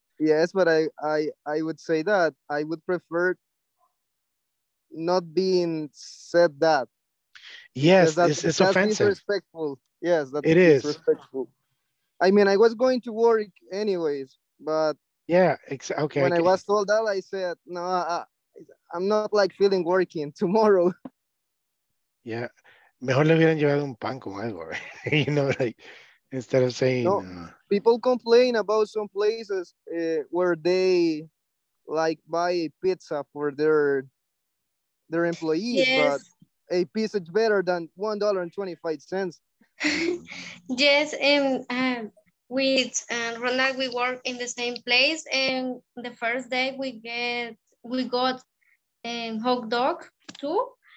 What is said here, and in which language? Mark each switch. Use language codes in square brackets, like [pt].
[en] Yes, but I would say that I would prefer not being said that. Yes, it's offensive. Disrespectful. Yes, that it is disrespectful. I mean, I was going to work anyways, but yeah, okay. When I was told that, I said no, I'm not like feeling working tomorrow. Yeah. [es] Mejor le hubieran llevado un pan con algo, [en] right? You know, like, instead of saying... No, people complain about some places where they, like, buy a pizza for their employees, yes. But a pizza is better than $1.25. Yes, and with Ronald, we work in the same place, and the first day we got a hot dog, too.